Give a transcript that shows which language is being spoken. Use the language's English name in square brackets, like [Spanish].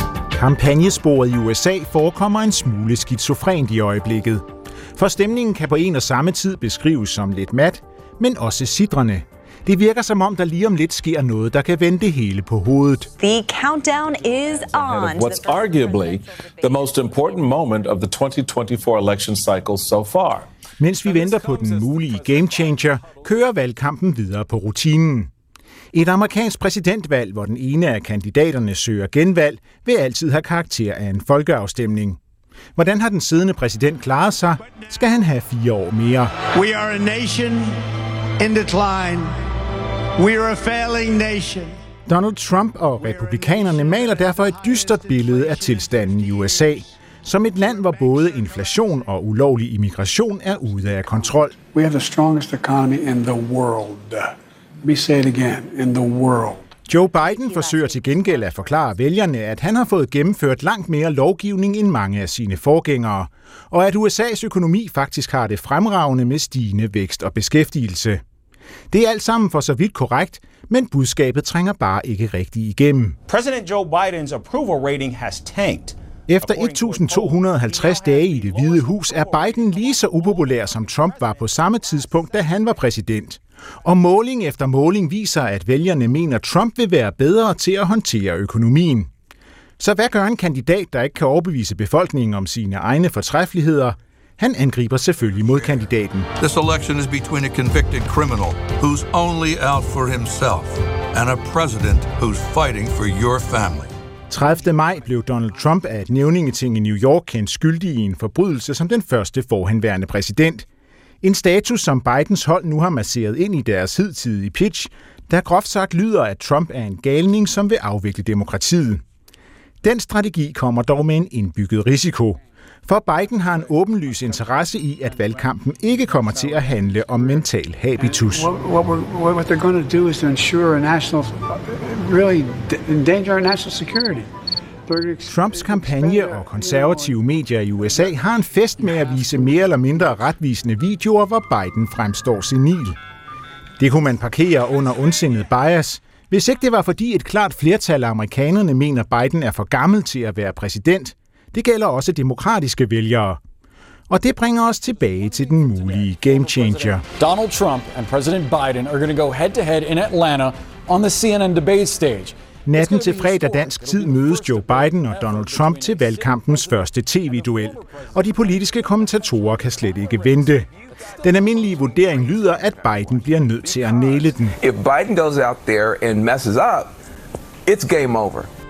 [Danish] Kampagnesporet i USA forekommer en smule skizofrent i øjeblikket. For stemningen kan på en og samme tid beskrives som lidt mat, men også sidrende. Det virker som om, der lige om lidt sker noget, der kan vende det hele på hovedet. [English] The countdown is on. What's arguably the most important moment of the 2024 election cycle so far. [Danish] Mens vi venter på den mulige gamechanger, kører valgkampen videre på rutinen. Et amerikansk præsidentvalg, hvor den ene af kandidaterne søger genvalg, vil altid have karakter af en folkeafstemning. Hvordan har den siddende præsident klaret sig? Skal han have 4 år mere? [English] We are a nation in decline. We are a failing nation. [Danish] Donald Trump og republikanerne maler derfor et dystert billede af tilstanden i USA. Som et land, hvor både inflation og ulovlig immigration er ude af kontrol. [English] We have the strongest economy in the world. Let me say it again, in the world. [Danish] Joe Biden forsøger til gengæld at forklare vælgerne, at han har fået gennemført langt mere lovgivning end mange af sine forgængere, og at USA's økonomi faktisk har det fremragende med stigende vækst og beskæftigelse. Det er alt sammen for så vidt korrekt, men budskabet trænger bare ikke rigtigt igennem. [English] President Joe Bidens approval rating has tanked. [Danish] Efter 1250 dage i Det Hvide Hus er Biden lige så upopulær, som Trump var på samme tidspunkt, da han var præsident. Og måling efter måling viser, at vælgerne mener, Trump vil være bedre til at håndtere økonomien. Så hvad gør en kandidat, der ikke kan overbevise befolkningen om sine egne fortræffeligheder? Han angriber selvfølgelig modkandidaten. [English] This election is between a convicted criminal who's only out for himself and a president who's fighting for your family. [Danish] 30. maj blev Donald Trump af et nævningeting i New York kendt skyldig i en forbrydelse som den første forhenværende præsident. En status, som Bidens hold nu har masseret ind i deres hidtidige pitch, der groft sagt lyder, at Trump er en galning, som vil afvikle demokratiet. Den strategi kommer dog med en indbygget risiko. For Biden har en åbenlys interesse i, at valgkampen ikke kommer til at handle om mental habitus. [English] What they're going to do is to ensure a national, really endanger our national security. [Danish] Trumps kampagne og konservative medier i USA har en fest med at vise mere eller mindre retvisende videoer, hvor Biden fremstår senil. Det kunne man parkere under undsindet bias, hvis ikke det var fordi et klart flertal af amerikanerne mener, Biden er for gammel til at være præsident. Det gælder også demokratiske vælgere. Og det bringer os tilbage til den mulige game changer. [English] Donald Trump and President Biden are going to go head to head in Atlanta on the CNN debate stage. [Danish] Natten til fredag dansk tid mødes Joe Biden og Donald Trump til valgkampens første tv-duel, og de politiske kommentatorer kan slet ikke vente. Den almindelige vurdering lyder, at Biden bliver nødt til at næle den. [English] If Biden goes out there and messes up, it's game over.